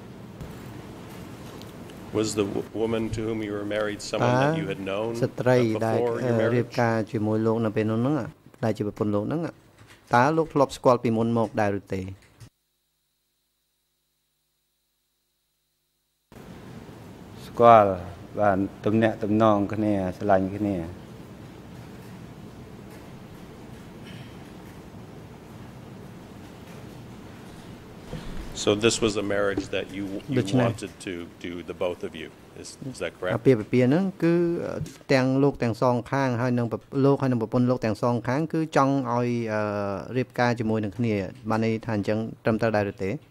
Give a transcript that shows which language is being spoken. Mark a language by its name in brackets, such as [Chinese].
[English] Was the woman to whom you were married someone that you had known before your marriage? [Khmer] ស្ត្រីដែល រៀបការជាមួយលោកនៅពេលនោះហ្នឹងដែរជាប្រពន្ធលោកហ្នឹងតើលោកធ្លាប់ស្គាល់ពីមុនមកដែរឬទេ ស្គាល់បានទំនាក់ទំនងគ្នាឆ្លាញ់គ្នា [English] So this was a marriage that you wanted to do, the both of you. Is that correct? [Khmer] អពាហ៍ពិពាហ៍ហ្នឹងគឺទាំងលោកទាំងសងខាងហើយនឹងលោកហើយនឹងប្រពន្ធលោកទាំងសងខាងគឺចង់ឲ្យរៀបការជាមួយនឹងគ្នាបានន័យថាអញ្ចឹងត្រឹមត្រូវដែរឬទេ